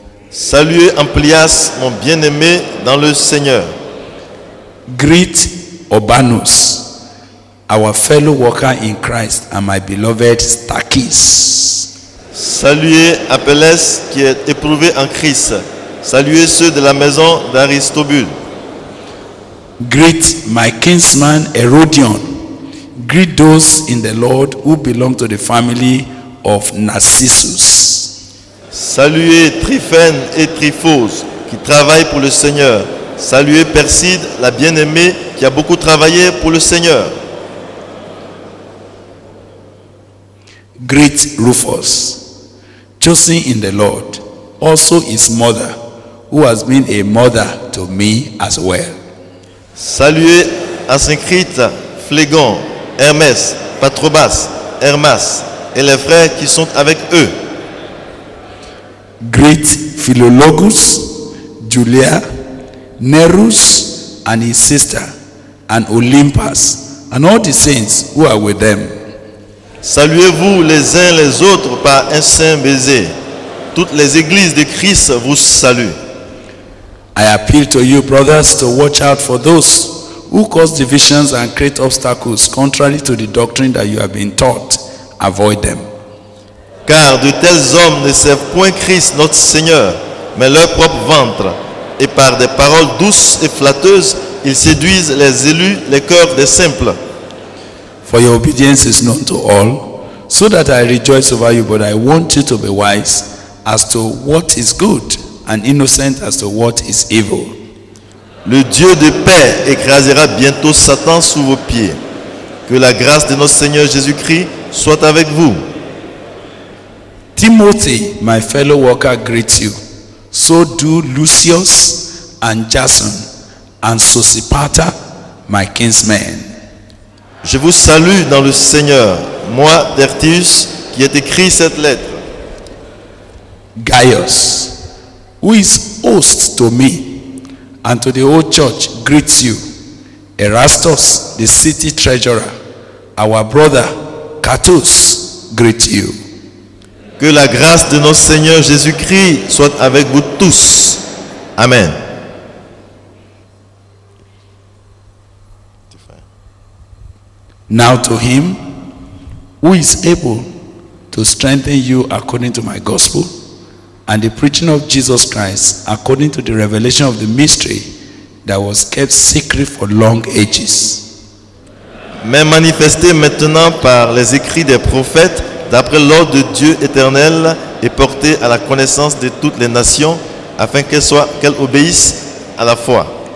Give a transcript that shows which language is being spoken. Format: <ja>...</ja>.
<fr>Saluez Amplias, mon bien-aimé dans le Seigneur.</fr> <en>Greet Urbanus, our fellow worker in Christ, and my beloved Stachys.</en> <fr>Saluez Apelles, qui est éprouvé en Christ. Saluez ceux de la maison d'Aristobule.</fr> <en>Greet my kinsman Herodion. Greet those in the Lord who belong to the family of Narcissus.</en> <fr>Saluez Tryphène et Tryphos qui travaillent pour le Seigneur. Saluez Perside, la bien-aimée, qui a beaucoup travaillé pour le Seigneur.</fr> <en>Greet Rufus, chosen in the Lord, also his mother, who has been a mother to me as well.</en> <fr>Saluez Asyncrite, Phlegon, Hermès, Patrobas, Hermas, et les frères qui sont avec eux.</fr> <en>Greet Philologus, Julia, Nerus, and his sister, and Olympus, and all the saints who are with them.</en> <fr>Saluez-vous les uns les autres par un saint baiser. Toutes les églises de Christ vous saluent.</fr> <en>I appeal to you, brothers, to watch out for those who cause divisions and create obstacles contrary to the doctrine that you have been taught. Avoid them.</en> <fr>Car de tels hommes ne servent point Christ notre Seigneur, mais leur propre ventre. Et par des paroles douces et flatteuses, ils séduisent les élus, les cœurs des simples.</fr> <en>For your obedience is known to all, so that I rejoice over you, but I want you to be wise as to what is good and innocent as to what is evil.</en> <fr>Le Dieu de paix écrasera bientôt Satan sous vos pieds. Que la grâce de notre Seigneur Jésus-Christ soit avec vous.</fr> <en>Timothy, my fellow worker, greets you. So do Lucius and Jason and Sosipater, my kinsmen.</en> <fr>Je vous salue dans le Seigneur, moi, Tertius, qui ai écrit cette lettre.</fr> <en>Gaius, who is host to me and to the whole church, greets you. Erastus, the city treasurer, our brother, Catus, greets you.</en> <fr>Que la grâce de notre Seigneur Jésus-Christ soit avec vous tous. Amen.</fr> <en>Now to him who is able to strengthen you according to my gospel and the preaching of Jesus Christ according to the revelation of the mystery that was kept secret for long ages.</en> <fr>Mais manifesté maintenant par les écrits des prophètes d'après l'ordre de Dieu éternel et porté à la connaissance de toutes les nations afin qu'elles obéissent à la foi.</fr>